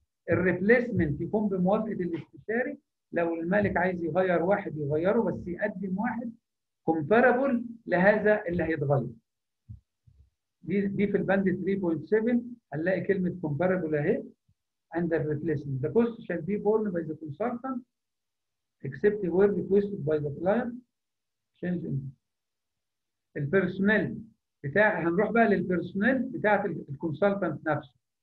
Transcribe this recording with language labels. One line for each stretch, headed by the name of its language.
Arabic: الريبليسمنت يكون بموافقه الاستشاري، لو المالك عايز يغير واحد يغيره بس يقدم واحد كومبارابل لهذا اللي هيتغير. دي في البند 3.7 هنلاقي كلمه كومبارابل اهي
English: under replacement. The cost shall be borne by the consultant except where requested by the client change in
Arabic: البيرسونال بتاع. هنروح بقى للبيرسونال بتاعه الكونسلتنت نفسه.